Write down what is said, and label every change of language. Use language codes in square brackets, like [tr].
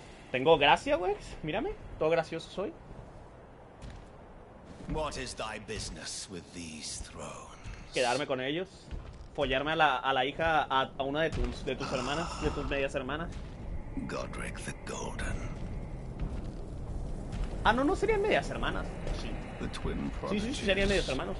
[es] Tengo gracia, güey. Mírame, todo gracioso soy. [en] What is thy business with these thrones? [es] Quedarme con ellos. Follarme a la hija, a una de tus hermanas, de tus medias hermanas. [en] Godric the Golden. [es] Ah, no, no serían medias hermanas. Sí, serían medias hermanos.